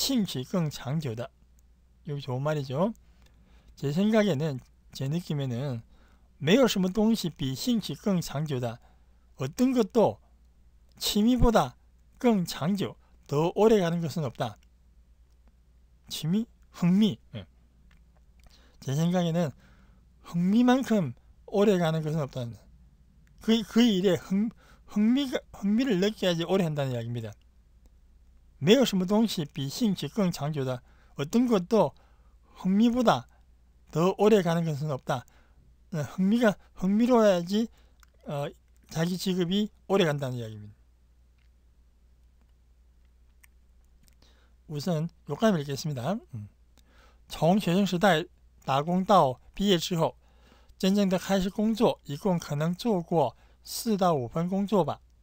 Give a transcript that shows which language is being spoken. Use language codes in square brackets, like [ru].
[zh] 我觉得没有什么东西比兴趣更长久的. [ko] 이거 좋은 말이죠. 제 생각에는, 제 느낌에는 [zh] 没有什么东西比兴趣更长久的. [ko] 어떤 것도 취미보다 [zh] 更长久, [ko] 더 오래 가는 것은 없다. 취미? 흥미. 제 생각에는 흥미만큼 오래 가는 것은 없다는, 그 일에 흥미를 느껴야지 오래 한다는 이야기입니다. [zh] 没有什么东西比兴趣更长久的. [ko] 어떤 것도 흥미보다 더 오래 가는 것은 없다. 흥미로워야지 자기 직업이 오래 간다는 이야기입니다. 우선 요까지 읽겠습니다. [zh] 从学生时代打工到毕业之后，真正的开始工作，一共可能做过4到5份工作吧。